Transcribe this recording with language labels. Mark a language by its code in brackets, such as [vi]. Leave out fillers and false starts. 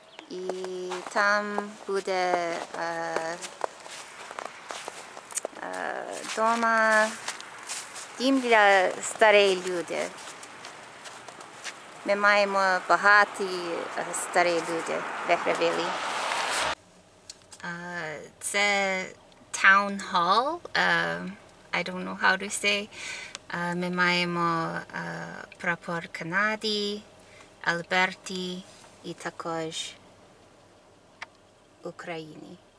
[uk] І там буде дома, дім для старих людей. Ми маємо багаті старі люди в Вихревілі. Це [en] town hall, I don't know how to say. [uk] Ми маємо прапор Канади, Альберти і також України.